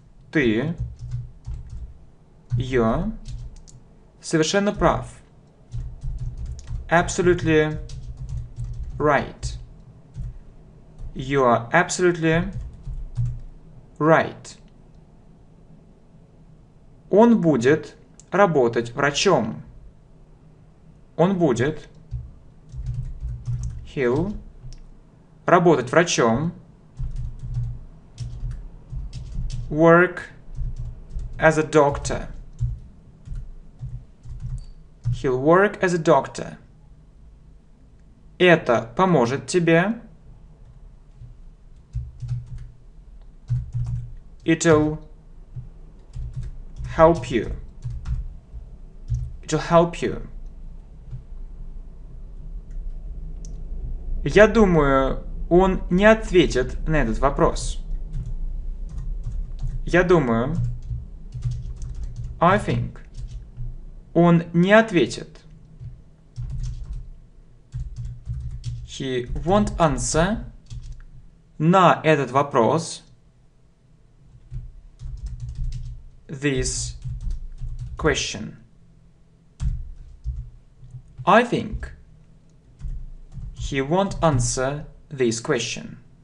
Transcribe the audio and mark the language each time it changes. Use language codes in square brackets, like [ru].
[ru] Ты, я, совершенно прав. [en] Absolutely right. You are absolutely right. [ru] Он будет работать врачом. Он будет. [en] He'll [ru] работать врачом. [en] Work as a doctor. He'll work as a doctor. [ru] Это поможет тебе. [en] It'll help you. It'll help you. [ru] Я думаю, он не ответит на этот вопрос. Я думаю, [en] I think, [ru] он не ответит. [en] He won't answer [ru] на этот вопрос. [en] This question. I think he won't answer this question.